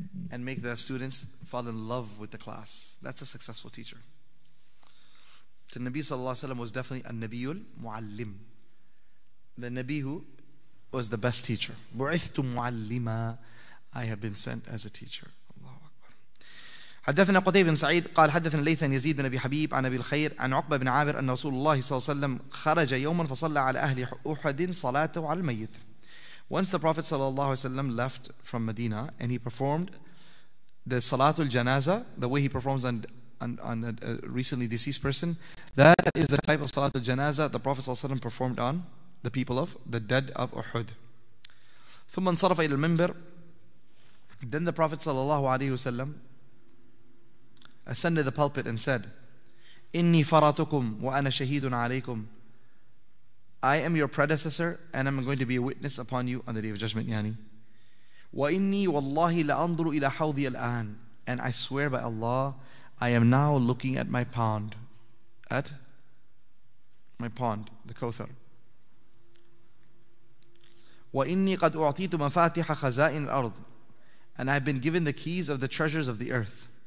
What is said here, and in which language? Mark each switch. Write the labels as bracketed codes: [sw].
[en] And make the students fall in love with the class. That's a successful teacher. So Nabi sallallahu alayhi wa sallam was definitely a Nabiul Mu'allim. The Nabi who was the best teacher. [ar] Bu'ithtu mu'allima, [en] I have been sent as a teacher. [ar] Allahu Akbar. حدثنا قتيبة بن سعيد قال حدثنا ليث بن يزيد بن أبي حبيب عن أبي الخير عن عقبة بن عامر أن رسول الله صلى الله عليه وسلم خرج يوما فصلى على أهل أحد صلاته على الميت. [en] Once the Prophet صلى الله عليه وسلم left from Medina and he performed the Salatul Janazah, the way he performs on a recently deceased person, that is the type of Salatul Janazah the Prophet ﷺ performed on the people of the dead of Uhud. [ar] ثم انصرف إلى المنبر. [en] Then the Prophet ﷺ ascended the pulpit and said, [ar] إني فراتكم وأنا شهيد عليكم. [en] I am your predecessor and I'm going to be a witness upon you on the Day of Judgment. [ar] يعني. وإني والله لأنظر إلى حوضي الآن. [en] And I swear by Allah, I am now looking at my pond. At my pond, the Kawthar. [ar] وَإِنِّي قَدْ أُعْطِيتُ مَفَاتِحَ خَزَائِنِ الْأَرْضِ. [en] And I have been given the keys of the treasures of the earth.